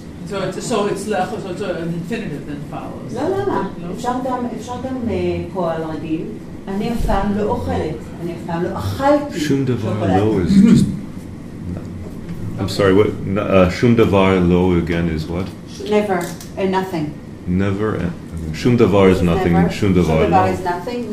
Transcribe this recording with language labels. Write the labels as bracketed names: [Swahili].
[English] So it's an infinitive that follows. [Hebrew] לא, לא, לא. אפשר גם פועל רגיל. אני אף פעם לא אוכלת. אני אף פעם לא אכלתי שוקולד. [English] שום דבר לא is just... I'm sorry, what? שום דבר לא again is what? Never. Nothing. Never. שום דבר is nothing. שום דבר is nothing.